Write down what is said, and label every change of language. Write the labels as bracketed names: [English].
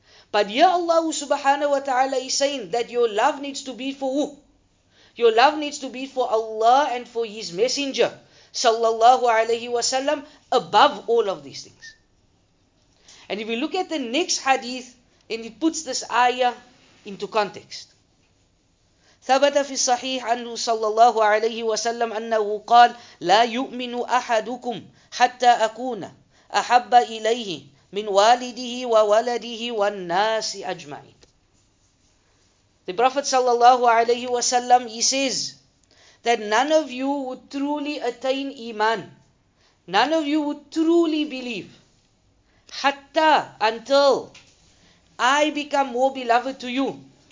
[English] But here Allah subhanahu wa ta'ala is saying that your love needs to be for who? Your love needs to be for Allah and for His Messenger, sallallahu alayhi wa sallam, above all of these things. And if we look at the next hadith, and it puts this ayah into context. [Arabic] ثبت في الصحيح عنه صلى الله عليه وسلم أنه قال لا يؤمن أحدكم حتى أكون أحب إليه من والده وولده والناس أجمعين. [English] The Prophet sallallahu alayhi wasallam, he says that none of you would truly attain iman, none of you would truly believe, hatta, until I become more beloved to you.